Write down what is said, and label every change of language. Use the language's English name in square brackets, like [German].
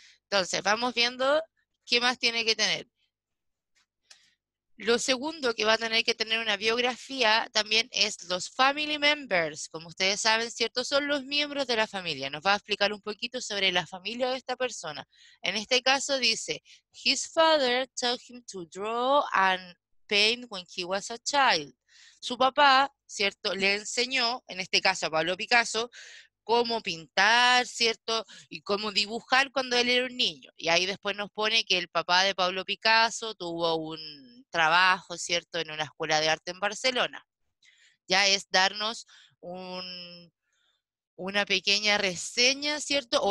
[Spanish] Entonces, vamos viendo qué más tiene que tener. Lo segundo que va a tener que tener una biografía también es los family members. Como ustedes saben, ¿cierto? Son los miembros de la familia. Nos va a explicar un poquito sobre la familia de esta persona. En este caso dice, [English] his father taught him to draw and paint when he was a child. [Spanish] Su papá, ¿cierto? Le enseñó, en este caso a Pablo Picasso, cómo pintar, ¿cierto? Y cómo dibujar cuando él era un niño. Y ahí después nos pone que el papá de Pablo Picasso tuvo un trabajo, ¿cierto? En una escuela de arte en Barcelona. Ya es darnos una pequeña reseña, ¿cierto?